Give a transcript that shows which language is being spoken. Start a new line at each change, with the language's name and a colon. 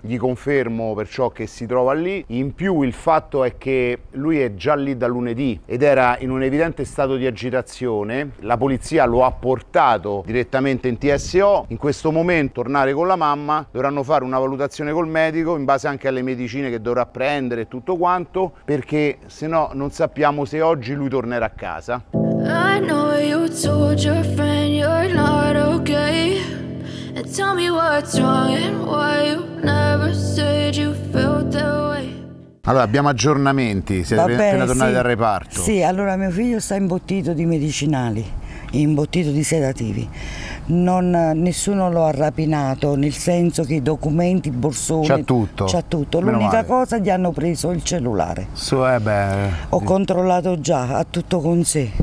Italian: Gli confermo perciò che si trova lì. In più il fatto è che lui è già lì da lunedì ed era in un evidente stato di agitazione. La polizia lo ha portato direttamente in TSO. In questo momento tornare con la mamma, dovranno fare una valutazione col medico in base anche alle medicine che dovrà prendere e tutto quanto, perché se no non sappiamo se oggi lui tornerà a casa.
English: I know you told your friend you're not okay and tell me what's wrong and why you never said you felt that way.
Italian: Allora, abbiamo aggiornamenti, siete appena tornati dal reparto. Sì, allora mio figlio sta imbottito di medicinali, imbottito di sedativi. Nessuno lo ha rapinato, nel senso che i documenti, i borsoni, c'ha tutto. L'unica cosa, gli hanno preso il cellulare. Ho controllato già, ha tutto con sé.